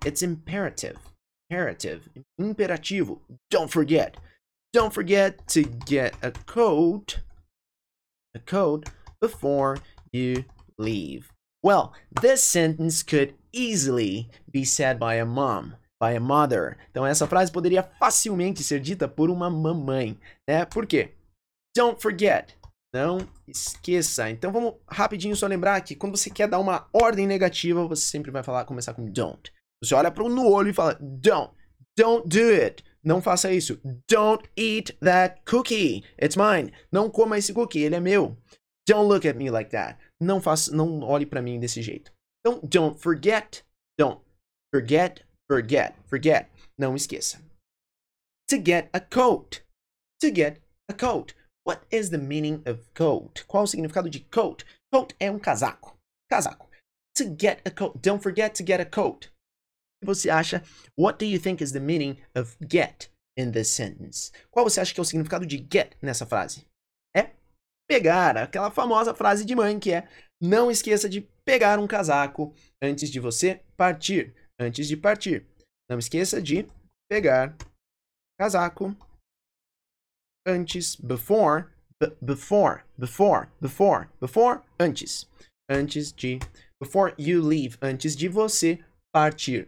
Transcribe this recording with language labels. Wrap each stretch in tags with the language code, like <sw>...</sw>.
<en>It's imperative, imperative, imperativo. Don't forget to get a coat. A coat before you leave. Well, this sentence could easily be said by a mom, by a mother.</en> <pt>Então, essa frase poderia facilmente ser dita por uma mamãe, né? Por quê?</pt> <en>Don't forget.</en> <pt>Não esqueça. Então, vamos rapidinho só lembrar que quando você quer dar uma ordem negativa, você sempre vai falar, começar com don't. Você olha para o no olho e fala, don't.</pt> <en>Don't do it.</en> <pt>Não faça isso.</pt> <en>Don't eat that cookie. It's mine.</en> <pt>Não coma esse cookie. Ele é meu.</pt> <en>Don't look at me like that.</en> <pt>Não olhe para mim desse jeito.</pt> <en>Então, don't forget. Don't forget. Forget. Forget.</en> <pt>Não esqueça.</pt> <en>To get a coat. To get a coat. What is the meaning of coat?</en> <pt>Qual o significado de coat? Coat é um casaco. Casaco.</pt> <en>To get a coat. Don't forget to get a coat.</en> <pt>Você acha,</pt> <en>what do you think is the meaning of get in this sentence?</en> <pt>Qual você acha que é o significado de get nessa frase? É pegar, aquela famosa frase de mãe que é não esqueça de pegar um casaco antes de você partir. Antes de partir. Não esqueça de pegar casaco antes,</pt> <en>before you leave,</en> <pt>antes de você partir.</pt>